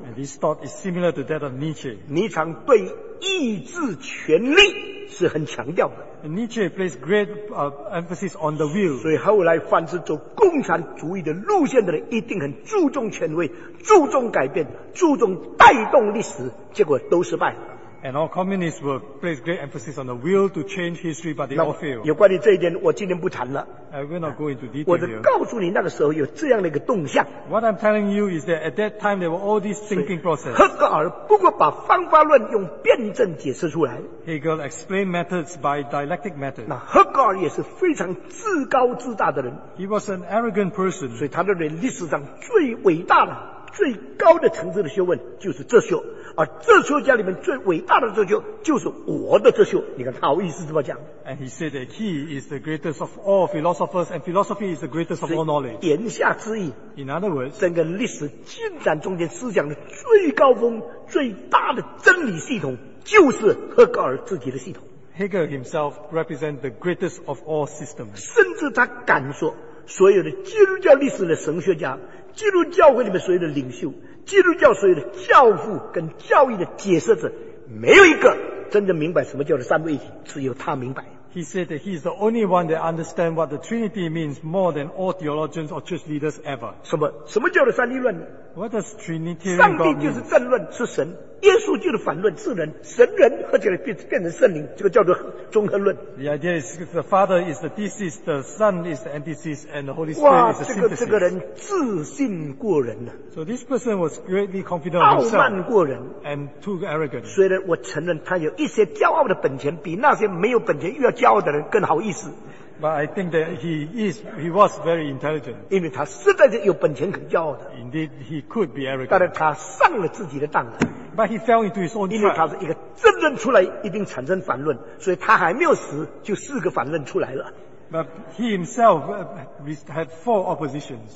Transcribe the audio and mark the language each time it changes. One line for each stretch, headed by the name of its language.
English: And this thought is similar to that of Nietzsche.
Chinese: 尼采对意志权力是很强调的。
English: And Nietzsche placed great emphasis on the will.
Chinese: 所以后来凡是走共产主义的路线的人，一定很注重权威，注重改变，注重带动历史，结果都失败。
English: And all communists will place great emphasis on the will to change history, but they all fail.
Chinese: 有关于这一点，我今天不谈了。
English: I will not go into detail.
Chinese: 我只告诉你那个时候有这样的一个动向。
English: What I'm telling you is that at that time there were all these thinking processes.
Chinese: 赫格尔不过把方法论用辩证解释出来。
English: Hegel explained methods by dialectic methods.
Chinese: 那赫格尔也是非常自高自大的人。
English: He was an arrogant person.
Chinese: 所以他认为历史上最伟大的、最高的层次的学问就是哲学。而哲学家里面最伟大的哲学就是我的哲学，你看他好意思这么讲。
English: And he said that he is the greatest of all philosophers, and philosophy is the greatest of all knowledge.
Chinese: 言下之意
English: ，In other words，
Chinese: 整个历史进展中间思想的最高峰、最大的真理系统，就是赫格尔自己的系统。
English: Hegel himself represents the greatest of all systems.
Chinese: 甚至他敢说，所有的基督教历史的神学家、基督教会里面所有的领袖。基督教所有的教父跟教义的解释者，没有一个真的明白什么叫做三位一体，只有他明白。
English: He said that he is the only one that understands what the Trinity means more than all theologians or church leaders ever.
Chinese: 什么叫做三一论
English: ？What does Trinity mean?
Chinese: 上帝就是正论，是神；耶稣就是反论，是人。神人合起来变成圣灵，这个叫做综合论。
English: The idea is the Father is the thesis, the Son is the antithesis, and the Holy Spirit is the synthesis.
Chinese: 哇，这个人自信过人了。
English: So this person was greatly confident of himself.
Chinese: 傲慢过人
English: ，and too arrogant.
Chinese: 虽然我承认他有一些骄傲的本钱，比那些没有本钱越骄傲的人更好意思。
English: But I think that he was very intelligent.
Chinese: 因为他实在是有本钱可骄傲的。
English: Indeed, he could be arrogant.
Chinese: 但是他上了自己的当了。
English: But he fell into his own trap.
Chinese: 因为他是一个争论出来一定产生反论，所以他还没有死就四个反论出来了。
English: But he himself had four oppositions.